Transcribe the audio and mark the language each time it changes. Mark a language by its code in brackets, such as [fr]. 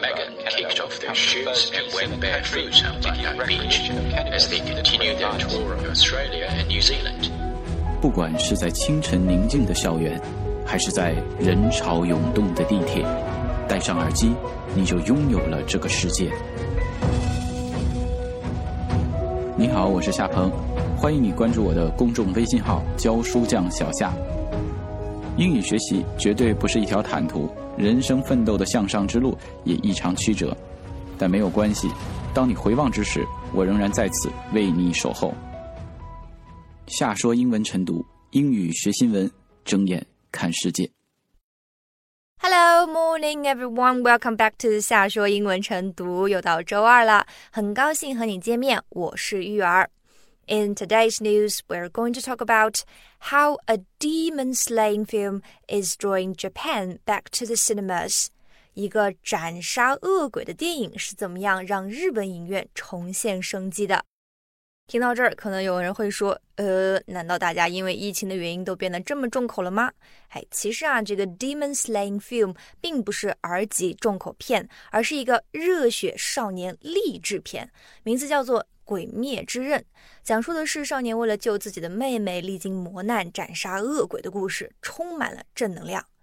[en] Megan kicked off their shoes and went barefoot on Bondi Beach as they continued their tour of Australia and New Zealand. [zh] 不管是在清晨宁静的校园，还是在人潮涌动的地铁，戴上耳机，你就拥有了这个世界。你好，我是夏鹏，欢迎你关注我的公众微信号教书匠小夏。英语学习绝对不是一条坦途，人生奋斗的向上之路也异常曲折，但没有关系，当你回望之时，我仍然在此为你守候。夏说英文晨读，英语学新闻，睁眼看世界。 [en] Hello, morning, everyone. Welcome back to 夏说英文晨读。 [zh] 又到周二了，很高兴和你见面，我是玉儿。 [en] In today's news, we're going to talk about how a demon slaying film is drawing Japan back to the cinemas. [zh] 一个斩杀恶鬼的电影是怎么样让日本影院重现生机的？听到这儿，可能有人会说，难道大家因为疫情的原因都变得这么重口了吗？哎，其实啊，这个 Demon Slaying Film 并不是 R 级重口片，而是一个热血少年励志片，名字叫做《鬼灭之刃》，讲述的是少年为了救自己的妹妹，历经磨难，斩杀恶鬼的故事，充满了正能量。